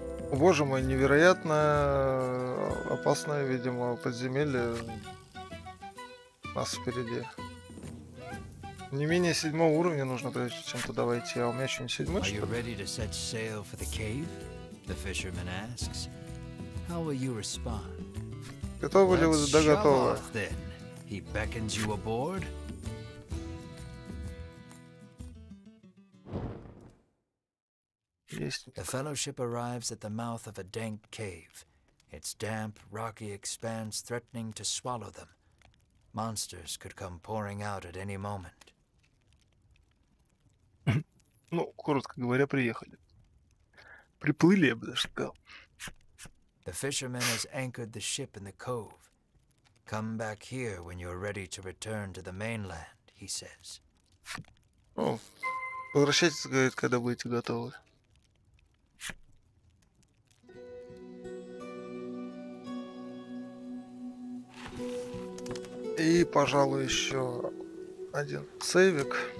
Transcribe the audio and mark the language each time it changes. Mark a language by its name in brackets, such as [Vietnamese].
[Russian] Боже мой, невероятно опасное, видимо, подземелье у нас впереди. Не менее 7 уровня нужно, прежде чем туда войти, а у меня еще не 7, что ли? [English] Are you ready to set sail for the cave? The fisherman asks. How will you respond? [Russian] Готовы ли вы? Да, готовы. [English] He beckons you aboard. The fellowship arrives at the mouth of a dank cave, its damp, rocky expanse threatening to swallow them. Monsters could come pouring out at any moment. [Russian] Ну, коротко говоря, приехали. Приплыли, я бы даже сказал. [English] The fisherman has anchored the ship in the cove. Come back here when you're ready to return to the mainland, he says. [Russian] О, возвращайтесь, говорит, когда будете готовы. И, пожалуй, еще один сейвик.